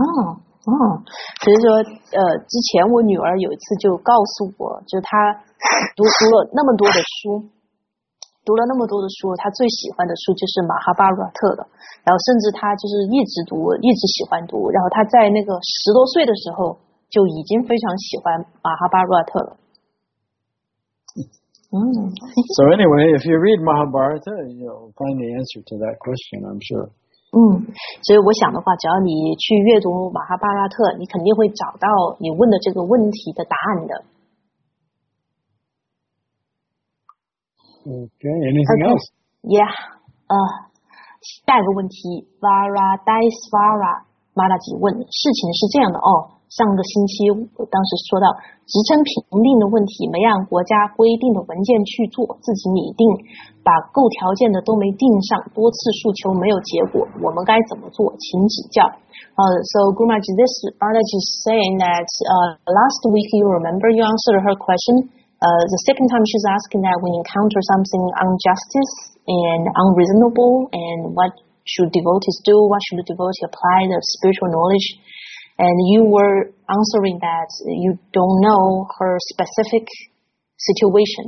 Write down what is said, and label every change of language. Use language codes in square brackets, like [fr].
[zh] 哦，所以说，之前我女儿有一次就告诉我，就是她读了那么多的书，读了那么多的书，她最喜欢的书就是《马哈巴拉特》的。然后甚至她就是一直读，一直喜欢读。然后她在那个十多岁的时候就已经非常喜欢《马哈巴拉特》了。嗯。 [en] So anyway, if you read Mahabharata, you'll find the answer to that question, I'm sure. [zh] 嗯，所以我想的话，只要你去阅读《马哈巴拉特》，你肯定会找到你问的这个问题的答案的。 [en] Okay, anything else? [zh] Yeah, 下一个问题 ，Vara Daiswara Maharaj 问，事情是这样的哦。上个星期我当时说到职称评定的问题，没按国家规定的文件去做，自己拟定，把够条件的都没定上，多次诉求没有结果，我们该怎么做？请指教。 [en] So Guru Maharaj, this Maharaj is saying that last week you remember you answered her question. The second time she's asking that we encounter something injustice and unreasonable, and what should devotees do? What should the devotee apply the spiritual knowledge? And you were answering that you don't know her specific situation.